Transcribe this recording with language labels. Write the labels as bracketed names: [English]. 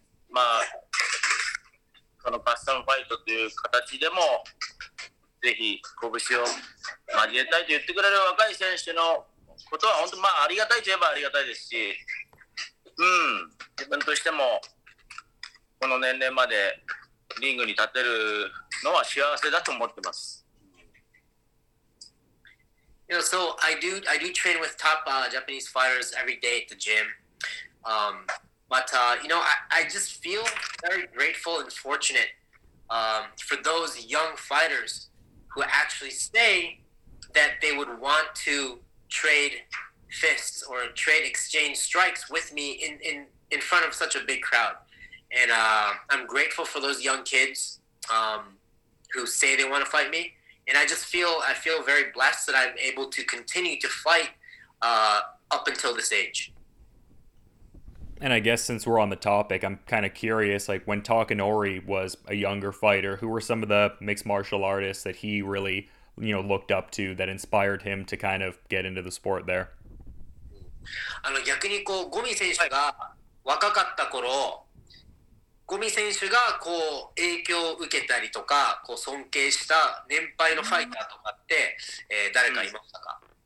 [Japanese] まあこのカスタムファイトという形でもぜひ拳を交えたいと言ってくれる若い選手のことは本当まあありがたいといえばありがたいですし、うん、自分としてもこの年齢までリングに立てるのは幸せだと思ってます。 [English] You know, so I do train with top Japanese fighters every day at the gym. But I just feel very grateful and fortunate for those young fighters who actually say that they would want to trade fists or trade exchange strikes with me in front of such a big crowd. And I'm grateful for those young kids who say they want to fight me. And I feel very blessed that I'm able to continue to fight up until this age. And I guess since we're on the topic, I'm kind of curious, like when Takanori was a younger fighter, who were some of the mixed martial artists that he really, you know, looked up to that inspired him to kind of get into the sport there? [Japanese] 逆にこう、ゴミ選手が若かった頃、ゴミ選手がこう影響を受けたりとか、こう尊敬した年配のファイターとかって、誰かいましたか？